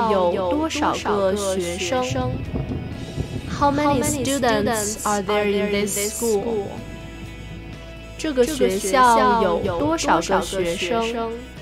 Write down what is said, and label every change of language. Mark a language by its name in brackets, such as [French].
[Chinese] 这个学校有多少个学生? [English] How many students are there in this school? [Chinese] 这个学校有多少个学生?